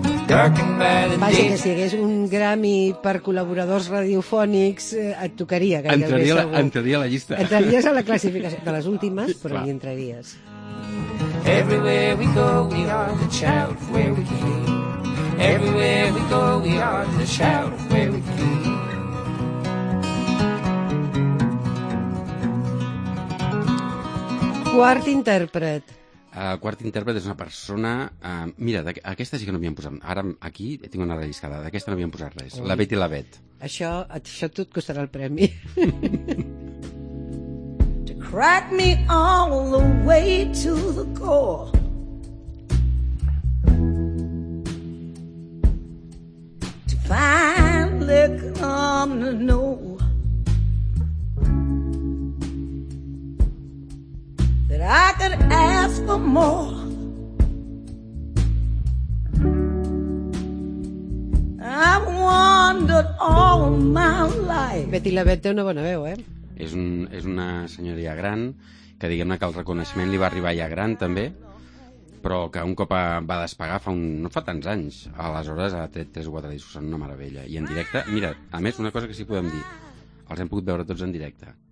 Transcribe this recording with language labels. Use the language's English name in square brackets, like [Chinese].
[Catalan] Vaja, que si hi hagués un Grammy per col·laboradors radiofònics, et tocaria. Entraria a la llista. Entraries a la classificació de les últimes, però hi entraries. [English] Everywhere we go, we are the child of where we came. Everywhere we go, we are the child of where we came. [Catalan] Quart intèrpret. El quart intèrpret és una persona... mira, aquesta sí que no havíem posat. Ara, aquí, tinc una relliscada. D'aquesta no havíem posat res. Ui. La Betty i la Bet. Això tot costarà el premi. [English] To crack me all the way to the core. To finally come to know. That I could ask for more. I've wandered all my life. [Catalan] Betty LaVette té una bona veu, eh? És una senyora ja gran, que diguem-ne que el reconeixement li va arribar ja gran, també, però que un cop va despegar no fa tants anys. Aleshores ha tret 3 o 4 discos, una meravella. I en directe, mira, a més, una cosa que sí podem dir, els hem pogut veure tots en directe.